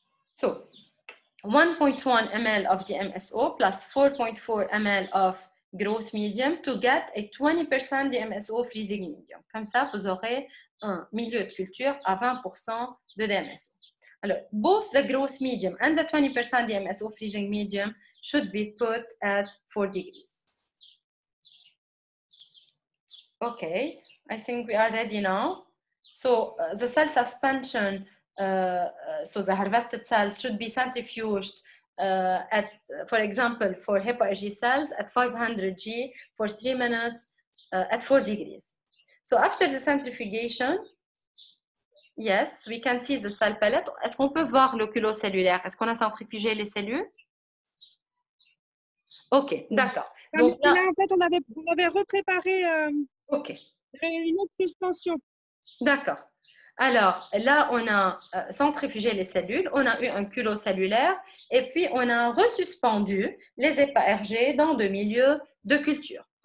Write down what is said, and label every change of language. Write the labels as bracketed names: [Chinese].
[English] So, 1.1 ml of DMSO plus 4.4 ml of growth medium to get a 20% DMSO freezing medium. [French] Comme ça, vous aurez un milieu de culture à 20% de DMSO. Alors, [English] both the growth medium and the 20% DMSO freezing medium should be put at 4 degrees. Okay. I think we are ready now. So the cell suspension, so the harvested cells should be centrifuged at, for example, for HEPA-RG cells at 500 G for 3 minutes at 4 degrees. So after the centrifugation, yes, we can see the cell pellet. [French] Est-ce qu'on peut voir le culot cellulaire? Est-ce qu'on a centrifugé les cellules? OK, d'accord. Donc là, en fait, on avait repréparé. OK. Une autre suspension. D'accord. Alors, là, on a centrifugé les cellules, on a eu un culot cellulaire et puis on a resuspendu les HEPA-RG dans le milieu de culture.